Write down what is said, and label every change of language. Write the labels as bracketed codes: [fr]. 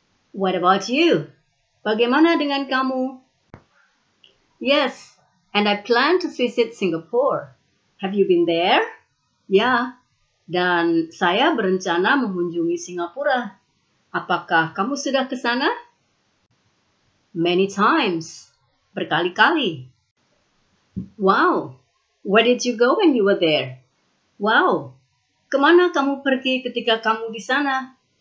[en] What about you? [id] Bagaimana dengan kamu? [en] Yes, and I plan to visit Singapore. Have you been there? [id] Ya, dan saya berencana mengunjungi Singapura. Apakah kamu sudah ke sana? [en] Many times. [id] Berkali-kali. [en] Wow, where did you go when you were there? [id] Wow, kemana kamu pergi ketika kamu di sana?